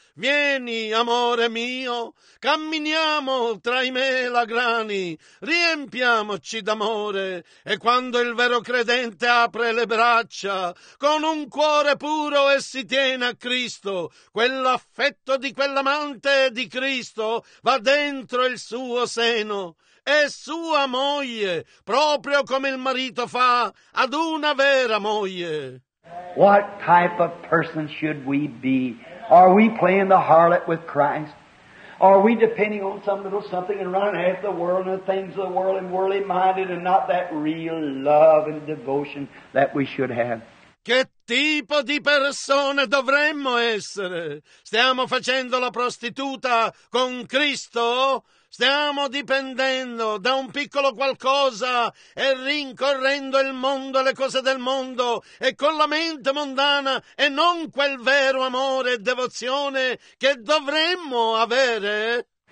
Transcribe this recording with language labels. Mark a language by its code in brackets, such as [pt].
[it] Vieni, amore mio, camminiamo tra i melagrani, riempiamoci d'amore, e quando il vero credente apre le braccia, con un cuore puro e si tiene a Cristo, quell'affetto di quell'amante di Cristo va dentro il suo seno. È sua moglie, proprio come il marito fa ad una vera moglie. [en] What type of person should we be? Are we playing the harlot with Christ? Are we depending on some little something and running after the world and the things of the world and worldly minded and not that real love and devotion that we should have? [it] Che tipo di persone dovremmo essere? Stiamo facendo la prostituta con Cristo? Stiamo dipendendo da un piccolo qualcosa e rincorrendo il mondo e le cose del mondo e con la mente mondana e non quel vero amore e devozione che dovremmo avere?